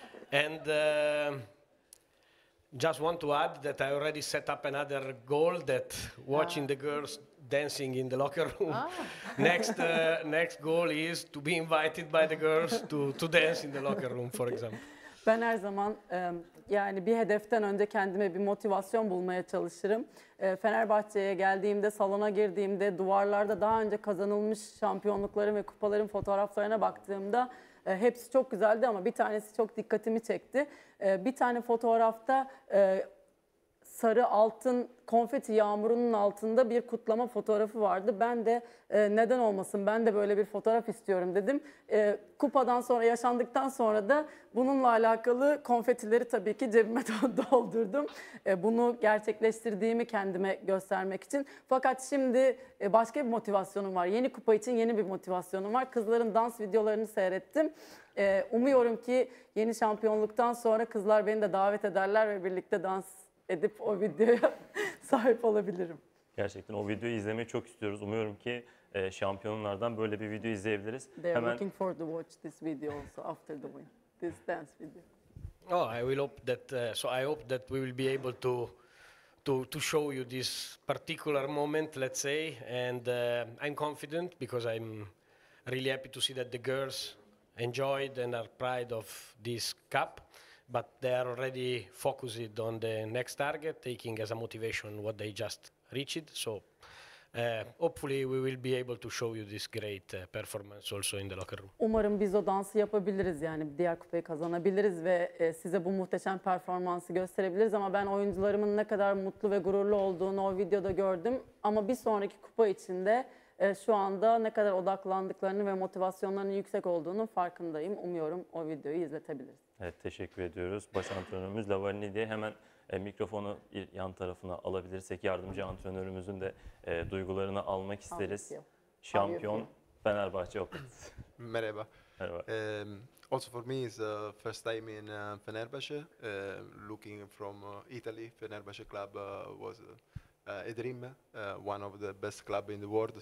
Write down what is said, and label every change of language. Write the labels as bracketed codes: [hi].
[en] And just want to add that I already set up another goal, that watching the girls dancing in the locker room. next goal is to be invited by the girls to dance in the locker room, for example. [tr] Ben her zaman yani bir hedeften önce kendime bir motivasyon bulmaya çalışırım. Fenerbahçe'ye geldiğimde, salona girdiğimde, duvarlarda daha önce kazanılmış şampiyonlukların ve kupaların fotoğraflarına baktığımda hepsi çok güzeldi ama bir tanesi çok dikkatimi çekti. Bir tane fotoğrafta sarı altın konfeti yağmurunun altında bir kutlama fotoğrafı vardı. Ben de neden olmasın, ben de böyle bir fotoğraf istiyorum dedim. Kupadan sonra, yaşandıktan sonra da bununla alakalı konfetileri tabii ki cebime doldurdum. Bunu gerçekleştirdiğimi kendime göstermek için. Fakat şimdi başka bir motivasyonum var. Yeni kupa için yeni bir motivasyonum var. Kızların dans videolarını seyrettim. Umuyorum ki yeni şampiyonluktan sonra kızlar beni de davet ederler ve birlikte dans edip o videoya sahip olabilirim. Gerçekten o videoyu izlemeyi çok istiyoruz. Umuyorum ki şampiyonlardan böyle bir video izleyebiliriz. [en] They are [tr] hemen [en] looking for to watch this video also after the win. This dance video. Oh, I will hope that I hope that we will be able to show you this particular moment, let's say, and I'm confident because I'm really happy to see that the girls enjoyed and are proud of this cup. But they are already focused on the next target, taking as a motivation what they just reached. So hopefully we will be able to show you this great performance also in the locker room. [tr] Umarım biz o dansı yapabiliriz, yani diğer kupayı kazanabiliriz ve size bu muhteşem performansı gösterebiliriz. Ama ben oyuncularımın ne kadar mutlu ve gururlu olduğunu o videoda gördüm. Ama bir sonraki kupa için de şu anda ne kadar odaklandıklarını ve motivasyonlarının yüksek olduğunu farkındayım. Umuyorum o videoyu izletebiliriz. Evet, teşekkür ediyoruz. Baş antrenörümüz Lavani diye hemen mikrofonu yan tarafına alabilirsek, yardımcı antrenörümüzün de duygularını almak isteriz. Şampiyon Fenerbahçe Opet. Merhaba. Merhaba. [en] Also for me is the first time in Fenerbahçe. Looking from Italy, Fenerbahçe club was a dream, one of the best club in the world.